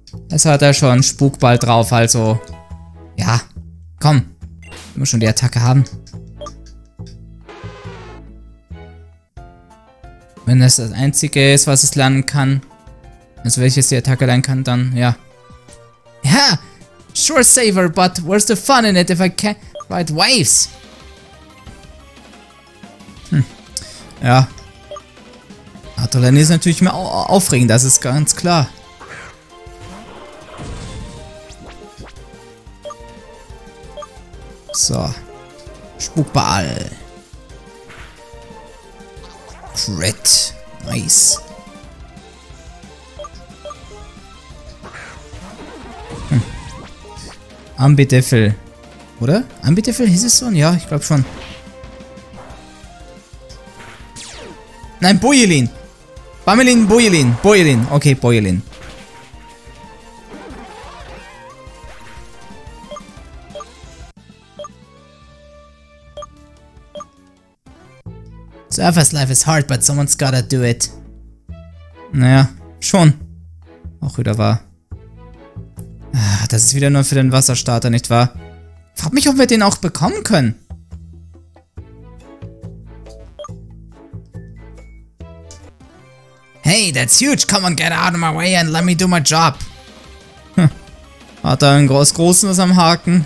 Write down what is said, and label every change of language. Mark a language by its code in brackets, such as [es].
[de] Es hat ja schon Spukball drauf, also. Ja. Komm. Wir müssen schon die Attacke haben. Wenn es das einzige ist, was es lernen kann. Also welches die Attacke lernen kann, dann ja. Ja! [en] Sure saver, but where's the fun in it if I can't ride waves? [de] Ja. Hatolani ist natürlich mehr aufregend, das ist ganz klar. So. Spukball. [en] Crit. Nice. [de] Ambidiffel. Oder? Ambidiffel hieß es so? Ja, ich glaube schon. Nein, Bujelin! Bamelin, Bujelin! Bujelin! Okay, Bujelin. [en] Surface life is hard, but someone's gotta do it. [de] Naja, schon. Auch wieder wahr. Das ist wieder nur für den Wasserstarter, nicht wahr? Frag mich, ob wir den auch bekommen können. [en] Hey, that's huge. Come on, get out of my way and let me do my job. [de] Hat er einen großen was am Haken?